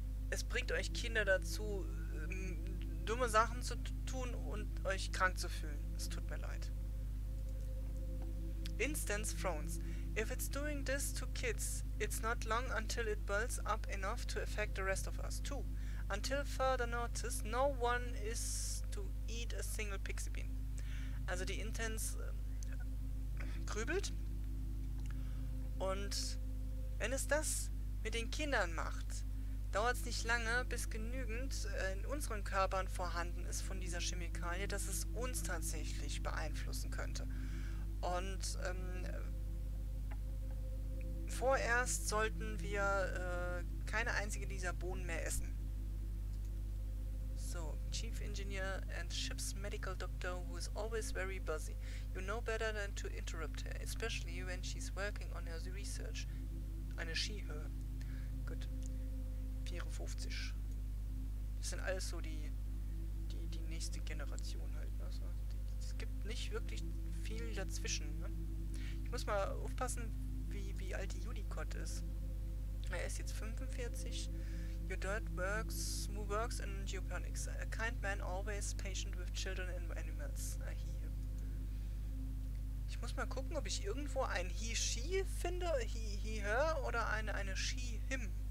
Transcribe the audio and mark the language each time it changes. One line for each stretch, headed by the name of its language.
German: Es bringt euch Kinder dazu, dumme Sachen zu tun und euch krank zu fühlen. Es tut mir leid.
English: Instance frowns. If it's doing this to kids, it's not long until it builds up enough to affect the rest of us too. Until further notice, no one is to eat a single pixie bean.
German: Also die Intense grübelt. Und wenn es das mit den Kindern macht, dauert es nicht lange, bis genügend in unseren Körpern vorhanden ist von dieser Chemikalie, dass es uns tatsächlich beeinflussen könnte. Und vorerst sollten wir keine einzige dieser Bohnen mehr essen.
English: So, Chief Engineer and Ship's Medical Doctor, who is always very busy. You know better than to interrupt her, especially when she's working on her research.
German: Eine She-Hör. Gut. 54. Das sind alles so die nächste Generation halt. Also, es gibt nicht wirklich viel dazwischen. Ne? Ich muss mal aufpassen, wie alt die Unicode ist. Er ist jetzt 45.
English: Your dad works in Geoponics. A kind man always patient with children and animals.
German: Ich muss mal gucken, ob ich irgendwo ein He-She finde, He-Her oder eine She-Him.